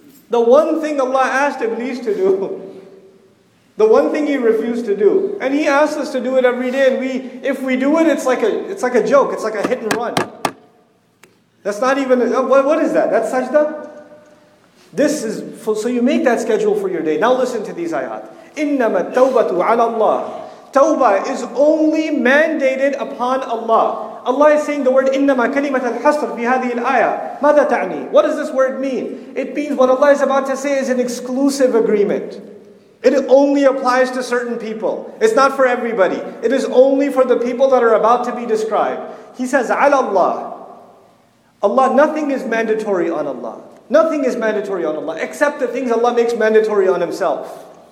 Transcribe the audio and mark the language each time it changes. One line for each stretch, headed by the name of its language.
English: The one thing Allah asked Iblis to do, the one thing he refused to do, and he asks us to do it every day, and if we do it, it's like a joke, it's like a hit and run. That's not even, what is that? That's sajda? This is, so you make that schedule for your day. Now listen to these ayat.
Arabic: إِنَّمَا التَّوْبَةُ عَلَى اللَّهِ.
English: Tawbah is only mandated upon Allah. Allah is saying the word
Arabic: إِنَّمَا كَلِمَةَ الْحَصْرِ فِي هَذِهِ الْآيَةِ. مَاذَا تَعْنِي.
English: What does this word mean? It means what Allah is about to say is an exclusive agreement. It only applies to certain people. It's not for everybody. It is only for the people that are about to be described. He says,
Arabic: عَلَى اللَّهِ.
English: Allah, nothing is mandatory on Allah. Nothing is mandatory on Allah, except the things Allah makes mandatory on Himself.